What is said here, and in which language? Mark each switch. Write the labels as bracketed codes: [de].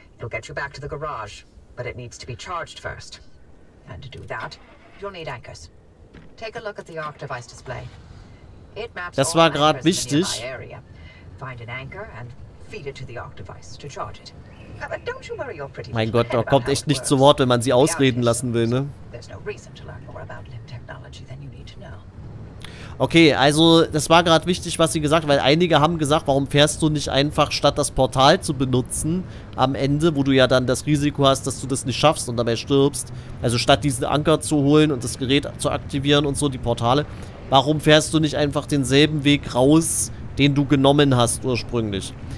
[en] It'll get you back to the garage, but it needs to be charged first. And to do that, you'll need anchors. Take a look at the Arc device display. It maps all anchors in the nearby area. Find an anchor and feed it to the Arc device to charge it. But don't you worry, you're pretty much. [de] Mein Gott, da kommt echt nicht zu Wort, wenn man sie ausreden lassen will, ne? [en] There's no reason to learn more about limb technology than you need to know. [de] Okay, also das war gerade wichtig, was sie gesagt hat, weil einige haben gesagt, warum fährst du nicht einfach, statt das Portal zu benutzen am Ende, wo du ja dann das Risiko hast, dass du das nicht schaffst und dabei stirbst, also statt diesen Anker zu holen und das Gerät zu aktivieren und so, die Portale, warum fährst du nicht einfach denselben Weg raus, den du genommen hast ursprünglich?